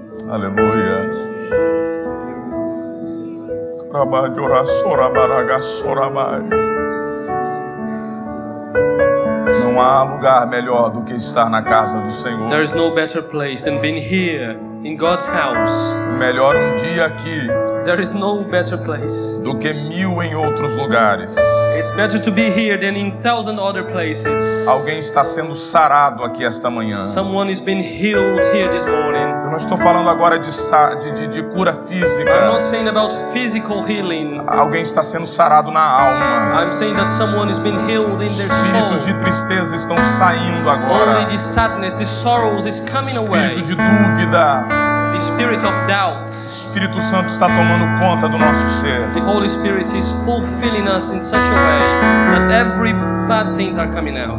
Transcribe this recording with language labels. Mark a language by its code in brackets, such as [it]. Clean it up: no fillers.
[pt] Aleluia. Rabai, ora, sora, baraga, sora, bai. Não há lugar melhor do que estar na casa do Senhor. [en] There is no better place than being here in God's house. [pt] Melhor um dia aqui. [en] There is no better place. [pt] Do que mil em outros lugares. [en] It's better to be here than in thousand other places. [pt] Alguém está sendo sarado aqui esta manhã. [en] Someone has been healed here this morning. [pt] Eu não estou falando agora de cura física. [en] I'm not saying about physical healing. [pt] Alguém está sendo sarado na alma. [en] I'm saying that someone has been healed in their [pt] soul. Espíritos de tristeza estão saindo agora. [en] Only the sadness, the sorrows is coming away. [pt] Espírito de dúvida. [en] The spirit of doubts. [pt] O Espírito Santo está tomando conta do nosso ser. [en] The Holy Spirit is fulfilling us in such a way that every bad things are coming out.